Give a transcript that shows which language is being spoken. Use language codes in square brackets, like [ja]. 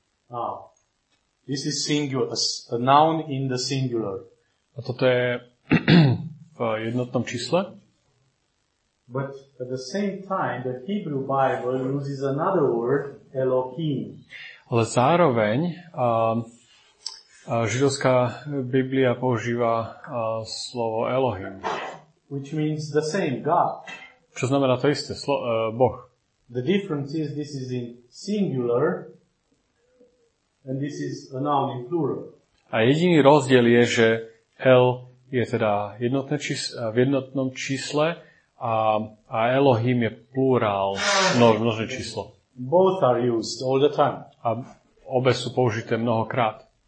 [en] Ah, this is singular, a noun in the singular. [sk] A toto je v jednotnom čísle. [en] But at the same time, the Hebrew Bible uses another word, Elohim. [sk] Ale zároveň židovská Biblia používa slovo Elohim. [en] Which means the same God. [sk] Čo znamená to isté, Boh. [en] The difference is this is in singular and this is a noun in plural. [sk] A jediný rozdiel je, že El je teda jednotné číslo, v jednotnom čísle, a Elohim je plurál, množné číslo. [en] Both are used all the time. [sk] A obe sú použité mnohokrát.